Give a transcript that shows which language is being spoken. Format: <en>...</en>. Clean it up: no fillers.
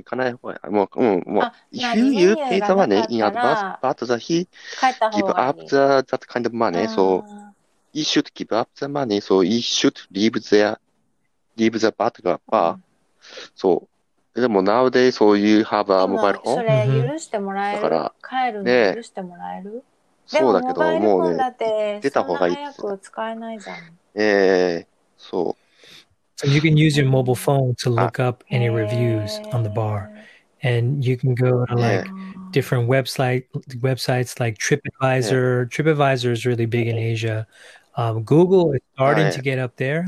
<en>If you pay the money in advance, but he give up that kind of money, so he should give up the money, so he should leave the bar. So,</en> <ja>でも</ja> <en>nowadays, so you have a mobile phone.</en> <ja>それ許してもらえる。だから、帰るの許してもらえる。そうだけど、もうね、出た方がいい。早く使えないじゃん。そう。</ja> <en>So you can use your mobile phone to look up any reviews on the bar. And you can go to different websites like TripAdvisor. Yeah. TripAdvisor is really big in Asia. Google is starting to get up there.</en>